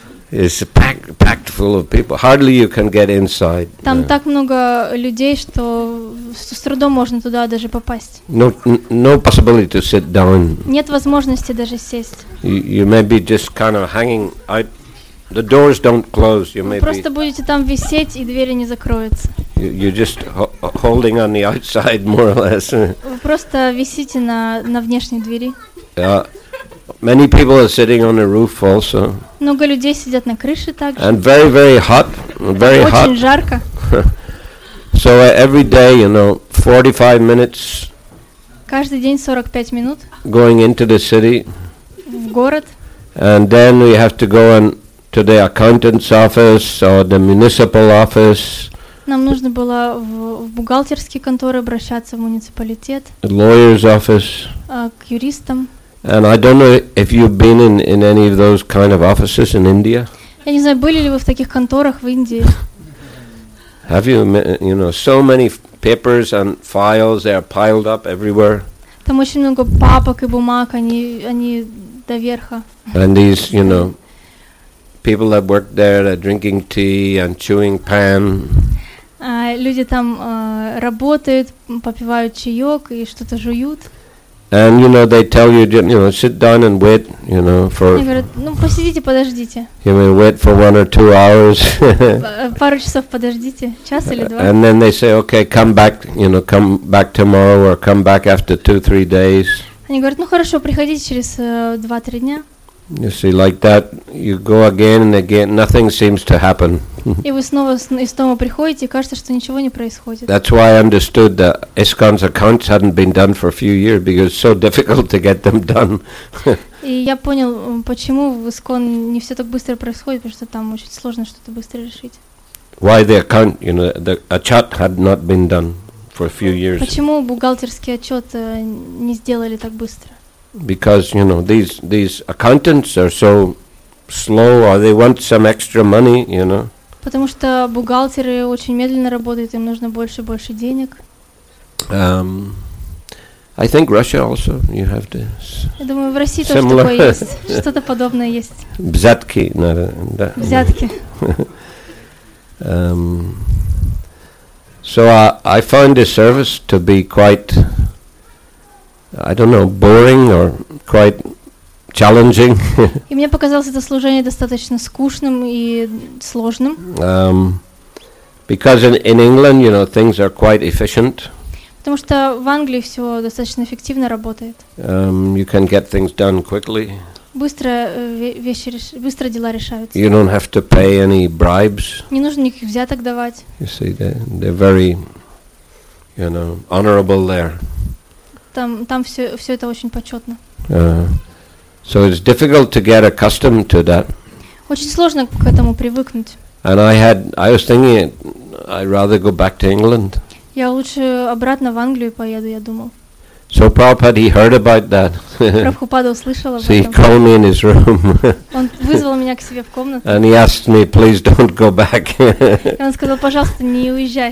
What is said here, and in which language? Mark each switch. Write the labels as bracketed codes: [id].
[en] It's packed full of people. Hardly you can get inside. [ru] Там так много людей, что с трудом можно туда даже попасть. [en] No possibility to sit down. [ru] Нет возможности даже сесть. [en] You may be just kind of hanging out. The doors don't close. You may [ru] просто будете там висеть, и двери не закроются. [en] You're just holding on the outside, more or less. [ru] Вы просто висите на внешней двери. [en] Many people are sitting on the roof also. [ru] Много людей сидят на крыше также. [en] And very, very hot. Very hot. [ru] Очень жарко. [en] So every day, you know, 45 minutes. [ru] Каждый день 45 минут. [en] Going into the city. [ru] В город. [en] And then we have to go on to the accountant's office or the municipal office. [ru] Нам нужно было в бухгалтерские конторы обращаться, в муниципалитет. [en] The lawyer's office. [ru] К юристам. [en] And I don't know if you've been in any of those kind of offices in India. [ru] Я не знаю, были ли вы в таких конторах в Индии. [en] Have you know, so many papers and files, they are piled up everywhere. [ru] Там очень много папок и бумаг, они до верха. [en] And these, you know, people that work there, they're drinking tea and chewing pan. [ru] Люди там работают, попивают чаек и что-то жуют. [en] And you know they tell you, you know, sit down and wait, you know, for. [ru] Они говорят, ну посидите, подождите. [en] You may wait for one or two hours. [ru] Пару часов подождите, час или два. [en] And then they say, okay, come back, you know, come back tomorrow or come back after 2-3 days. [ru] Они говорят, ну хорошо, приходите через 2-3 дня. [en] You see, like that, you go again and again, nothing seems to happen. [ru] И вы снова и снова приходите, и кажется, что ничего не происходит. [en] That's why I understood that ISKCON's accounts hadn't been done for a few years, because it's so difficult to get them done. [ru] И я понял, почему в ISKCON не все так быстро происходит, потому что там очень сложно что-то быстро решить. [en] Why the account, you know, the отчет had not been done for a few years. [ru] Почему бухгалтерский отчет не сделали так быстро? [en] Because, you know, these accountants are so slow, or they want some extra money, you know. [ru] Потому что бухгалтеры очень медленно работают, им нужно больше и больше денег. [en] I think Russia also, you have to. [ru] Я думаю, в России тоже такое есть. Что-то подобное есть. Взятки, надо. Взятки. [en] So I find this service to be quite, I don't know, boring or quite challenging. [ru] И мне показалось это служение достаточно скучным и сложным. [en] Because in England, you know, things are quite efficient. [ru] Потому что в Англии все достаточно эффективно работает. [en] You can get things done quickly. [ru] Быстро вещи быстро дела решаются. [en] You don't have to pay any bribes. [ru] Не нужно никаких взяток давать. [en] You see, they're very, you know, honorable there. [ru] Там все это очень почетно. [en] So it's difficult to get accustomed to that. [ru] Очень сложно к этому привыкнуть. [en] And I was thinking, I'd rather go back to England. [ru] Я лучше обратно в Англию поеду, я думал. [en] So Prabhupada, he heard about that. [ru] Прабхупада услышал об этом. [en] So he called me in his room. [ru] Он вызвал меня к себе в комнату. [en] And he asked me, please don't go back. [ru] И он сказал, пожалуйста, не уезжай.